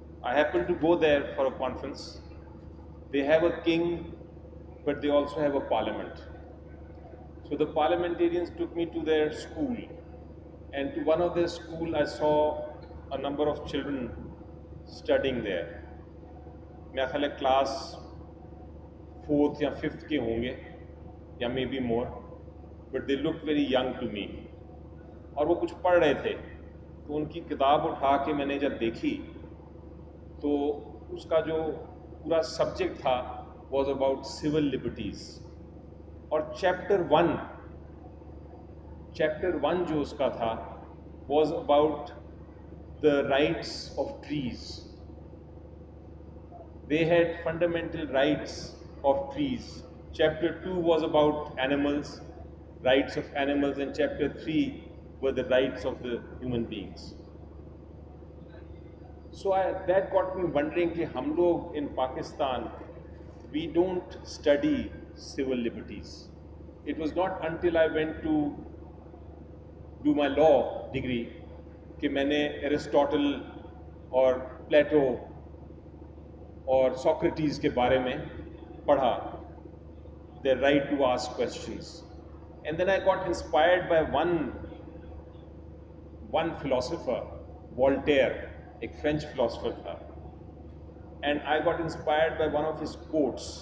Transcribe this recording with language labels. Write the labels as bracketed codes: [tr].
[en] I happened to go there for a conference. They have a king, but they also have a parliament. So the parliamentarians took me to their school, and to one of their school I saw a number of children studying there. [ur] میرا خیال ہے class fourth یا fifth کے ہوں گے یا [en] maybe more, but they look very young to me, [ur] اور وہ کچھ پڑھ رہے تھے تو ان کی کتاب اٹھا کے میں نے جب دیکھی تو اس کا جو پورا سبجیکٹ تھا واز اباؤٹ سول لبرٹیز، اور چیپٹر ون جو اس کا تھا was about the rights of trees. [en] They had fundamental rights of trees. Chapter 2 was about animals, rights of animals, and chapter 3 were the rights of the human beings. So that got me wondering [ur] ki hum log [en] in Pakistan, we don't study civil liberties. It was not until I went to do my law degree ki maine Aristotle or Plato [ur] اور Socrates کے بارے میں پڑھا، [en] the right to ask questions, and then I got inspired by one philosopher, Voltaire [ur] ایک French philosopher تھا، [en] And I got inspired by one of his quotes.